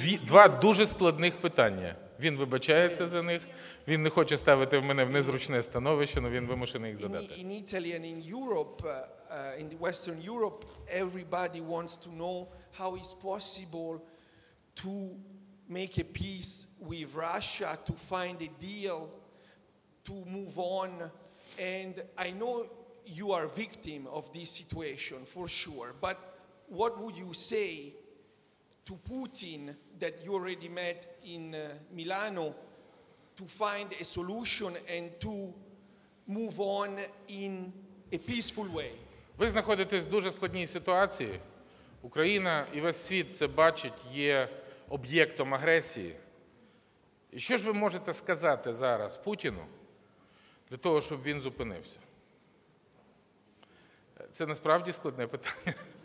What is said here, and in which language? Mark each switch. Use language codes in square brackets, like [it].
[uk] Тут два дуже складних питання. Він вибачається за них, він не хоче ставити в мене в незручне становище, але він вимушений їх задати. [en] In Italy and in Europe, in Western Europe, everybody wants to know how it's possible to make a peace with Russia, to find a deal, to move on. And I know you are a victim of this situation, for sure, but what would you say to Putin that you already met in Milano to to find a solution and to move on in a peaceful way. [uk] Ви знаходитесь в дуже складній ситуації. Україна і весь світ це бачить, є об'єктом агресії. І що ж ви можете сказати зараз Путіну для того, щоб він зупинився? Це насправді складне питання.